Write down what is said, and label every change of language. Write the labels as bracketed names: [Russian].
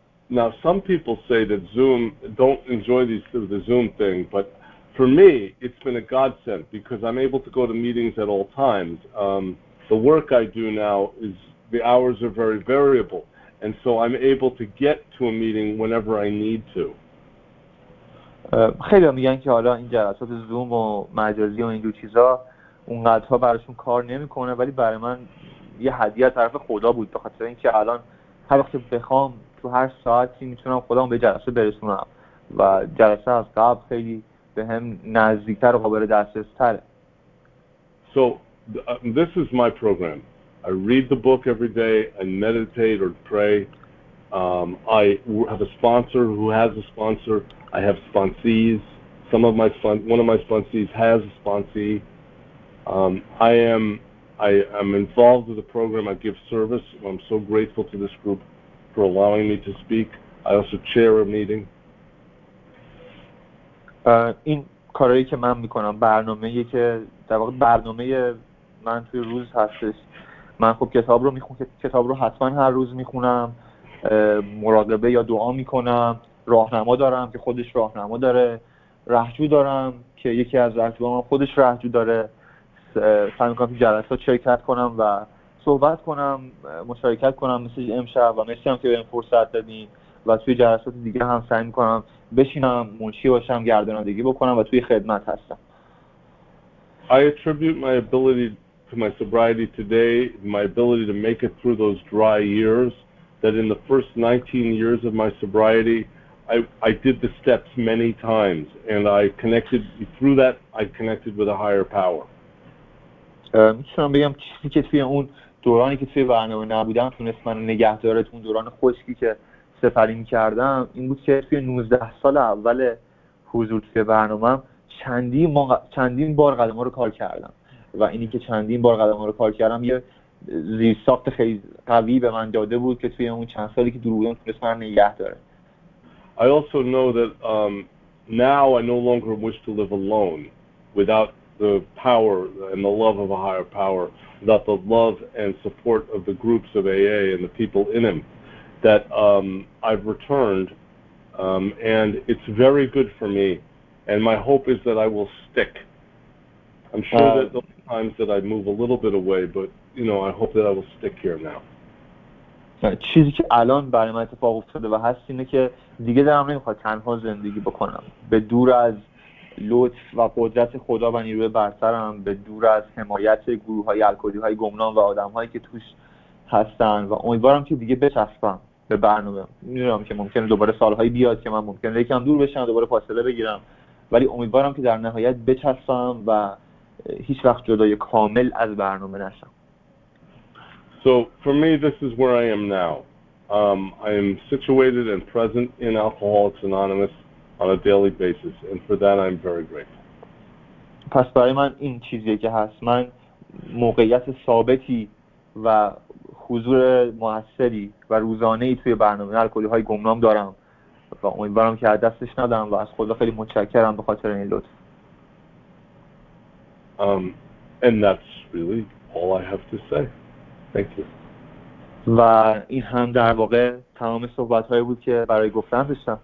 [English] Now some people say that Zoom don't enjoy the Zoom thing, but for me, it's been a godsend because I'm able to go to meetings at all times. The work I do now is the hours are very variable, and so I'm able to get to a meeting whenever I need to. [Persian] خیلی میگن که حالا این جلسات زوم و مجازی و این دو چیزا اونقدرها براشون کار نمیکنه، ولی برای من یه هدیه از طرف خدا بود به خاطر اینکه الان هر وقت بخوام تو هر ساعتی میتونم خودمو به جلسه برسونم و جلسه از قبل خیلی به هم نزدیکتر و قابل دسترس تره. [English] So this is my program. I read the book every day, I meditate or pray. I have a sponsor who has a sponsor. I have sponsees. One of my sponsees has a sponsee. I am involved with the program. I give service. I'm so grateful to this group for allowing me to speak. I also chair a meeting. [Persian] این کاری که من میکنم برنامه‌ای که در واقع برنامه من توی روز هستش. من خب کتاب رو میخونم، کتاب رو حتما هر روز میخونم، مراقبه یا دعا میکنم، راهنما دارم که خودش راهنما داره، رهجو دارم که یکی از رهجوام خودش رهجو داره، سعی میکنم تو جلسات شرکت کنم و صحبت کنم، مشارکت کنم مثل امشب و مرسی هم که به این فرصت دادین و توی جلسات دیگه هم سعی میکنم بشینم، منشی باشم، گردانندگی بکنم و توی خدمت هستم. [English] I attribute my ability to my sobriety today, my ability to make it through those dry years, that in the first 19 years of my sobriety, I did the steps many times, and I connected, through that, I connected with a higher power. [Persian] میتونم بگم چیزی که توی اون دورانی که توی برنامه نبودم تونست من نگه داره توی اون دوران خشکی که سفری میکردم این بود که توی 19 سال اول حضور توی برنامه چندین بار قدم ها رو کار کردم و اینی که چندین بار قدم ها رو کار کردم یه زیرساخت خیلی قوی به من داده بود که توی اون چند سالی که دور بودم تونست من نگه داره. [English] I also know that now I no longer wish to live alone without the power and the love of a higher power, without the love and support of the groups of AA and the people in him, that I've returned, and it's very good for me, and my hope is that I will stick. I'm sure that there'll be times that I move a little bit away, but, you know, I hope that I will stick here now. [Persian] چیزی که الان برای من اتفاق افتاده و هست اینه که دیگه دارم نمیخواد تنها زندگی بکنم، به دور از لطف و قدرت خدا و نیروی برترم، به دور از حمایت گروه های الکلی های گمنام و آدم هایی که توش هستن و امیدوارم که دیگه بچسبم به برنامه. میدونم که ممکنه دوباره سالهایی بیاد که من ممکنه یکم دور بشم دوباره فاصله بگیرم، ولی امیدوارم که در نهایت بچسبم و هیچ وقت جدای کامل از برنامه نشم. [English] So for me, this is where I am now. I am situated and present in Alcoholics Anonymous on a daily basis, and for that I'm very grateful. [Persian] پس برای من این چیزیه که هست. من موقعیت ثابتی و حضور موثری و روزانه ای توی برنامه الکلی‌های گمنام دارم و امیدوارم که از دستش ندم و از خدا خیلی متشکرم به خاطر این لطف. [English] And that's really all I have to say. Thank you. [Persian] و این هم در واقع تمام صحبت‌هایی بود که برای گفتن داشتم.